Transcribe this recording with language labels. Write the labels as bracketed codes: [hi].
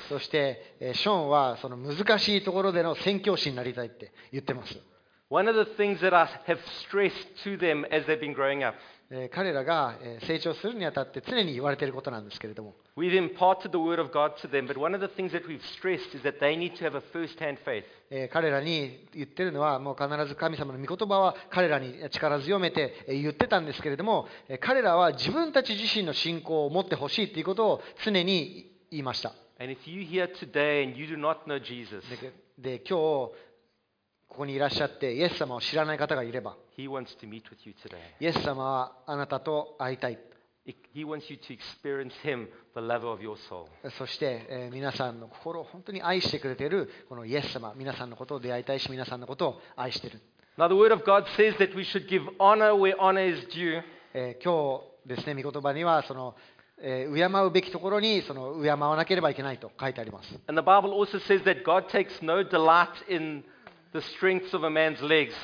[ja] そして、ショーンはその難しいところでの宣教師になりたいって言ってます。 [en] One of the things that I have stressed to them as they've been growing up. [ja] 彼らが成長するにあたって常に言われていることなんですけれども、 [en] We've imparted the word of God to them, but one of the things that we've stressed is that they need to have a first-hand faith. [ja] 彼らに言っているのは、もう必ず神様の御言葉は彼らに力強めて言ってたんですけれども、彼らは自分たち自身の信仰を持ってほしいということを常に言いました。 [en] And if you're here today and you do not know Jesus, [ja] で今日ここにいらっしゃってイエス様を知らない方がいれば、 [en] He wants to meet with you today. [ja] イエス様はあなたと会いたい。 [en] He wants you to experience him, the love of your soul. [ja] そして、皆さんの心を本当に愛してくれているこのイエス様、皆さんのことを出会いたいし、皆さんのことを愛している。 [en] Now the word of God says that we should give honor where honor is due. [ja] 今日ですね、御言葉にはその敬うべきところにその敬わなければいけないと書いてあります。 [en] And the Bible also says that God takes no delight in The strength of a man's legs.